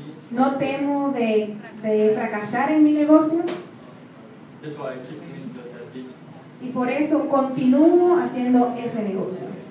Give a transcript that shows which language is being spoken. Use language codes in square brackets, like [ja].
[es] No temo de fracasar en mi negocio. [en] That's why I keep doing that business. [es] Y por eso continúo haciendo ese negocio.